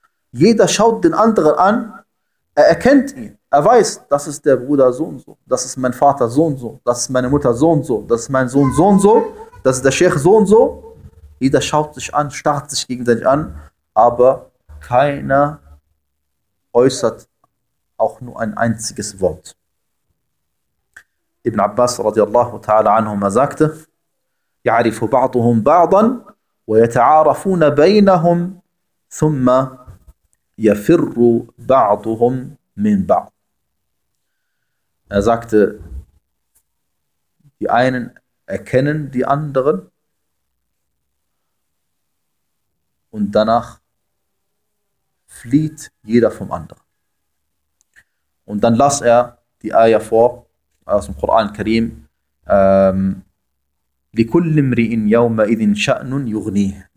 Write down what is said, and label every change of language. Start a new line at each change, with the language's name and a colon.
German: Jeder schaut den anderen an, er erkennt ihn, er weiß, das ist der Bruder so und so, das ist mein Vater so und so, das ist meine Mutter so und so, das ist mein Sohn so und so, das ist der Scheich so und so. Jeder schaut sich an, starrt sich gegenseitig an, aber keiner äußert auch nur ein einziges Wort. Ibn Abbas radiallahu ta'ala anhum sagte,
Arabic: يعرف بعضهم بعضا ويتعارفون بينهم ثم يفر بعضهم من بعض.
German: Er sagte, die einen erkennen die anderen und danach flieht jeder vom anderen. Und dann las er die Aya vor aus dem Koran Karim,
Arabic: لكل امرئ يومئذ شأن يغنيه.